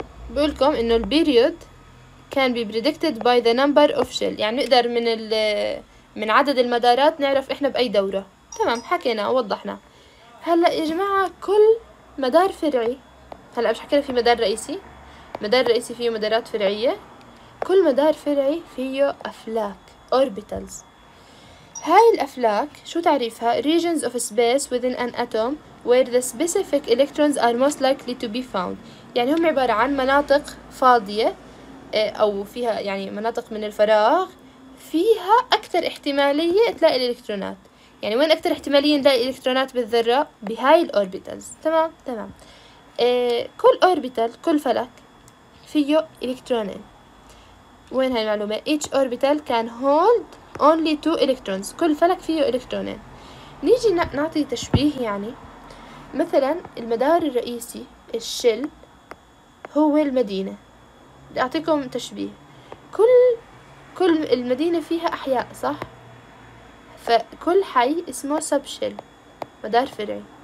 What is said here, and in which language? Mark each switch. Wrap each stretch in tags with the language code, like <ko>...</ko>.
<ar>بقولكم انه</ar> <en>البيريود كان be predicted by the number of shell,</en> <ar>يعني نقدر من عدد المدارات نعرف احنا باي دوره. تمام، حكينا ووضحنا. هلا يا جماعه كل مدار فرعي، هلا مش حكينا في مدار رئيسي، مدار رئيسي فيه مدارات فرعيه، كل مدار فرعي فيه افلاك اوربيتالز. هاي الافلاك شو تعريفها؟</ar> <en>regions of space within an atom where the specific electrons are most likely to be found.</en> <ar>يعني هم عبارة عن مناطق فاضية أو فيها يعني مناطق من الفراغ فيها أكثر احتمالية تلاقي الإلكترونات. يعني وين أكثر احتمالية نلاقي الإلكترونات بالذرة؟ بهاي الأوربيتالز. تمام تمام. كل أوربيتال، كل فلك فيه إلكترونين. وين هاي المعلومة؟</ar> <en>each orbital can hold only two electrons.</en> <ar>كل فلك فيه إلكترونين. نيجي نعطي تشبيه، يعني مثلا المدار الرئيسي الشل هو المدينة. أعطيكم تشبيه، كل المدينة فيها أحياء صح؟ فكل حي اسمه سبشل، مدار فرعي.</ar>